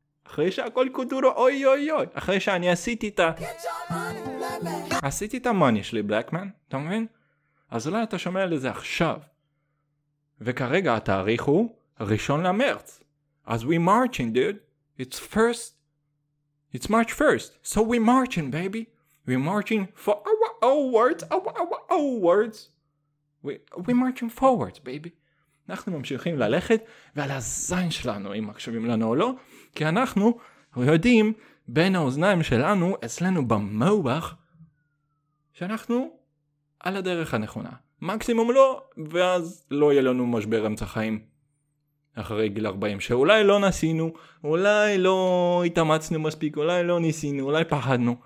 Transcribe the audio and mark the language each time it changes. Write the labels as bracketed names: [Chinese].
[Hebrew] אחרי שהכל קודורו אוי אוי אוי. אחרי שאני עשיתי את ה... עשיתי את המאני שלי, בלאקמן, אתה מבין? אז אולי אתה שומע לזה עכשיו. וכרגע התאריך הוא ראשון למרץ. [English] אז we marching, dude. It's first. It's March 1st. So we marching, baby. We marching for our own words. We marching forwards, baby. [Hebrew] אנחנו ממשיכים ללכת, ועל הזין שלנו, אם מקשיבים לנו או לא, כי אנחנו יודעים בין האוזניים שלנו, אצלנו במובח, שאנחנו... על הדרך הנכונה. מקסימום לא, ואז לא יהיה לנו משבר אמצע חיים אחרי גיל 40, שאולי לא נסינו, אולי לא התאמצנו מספיק, אולי לא ניסינו, אולי פחדנו.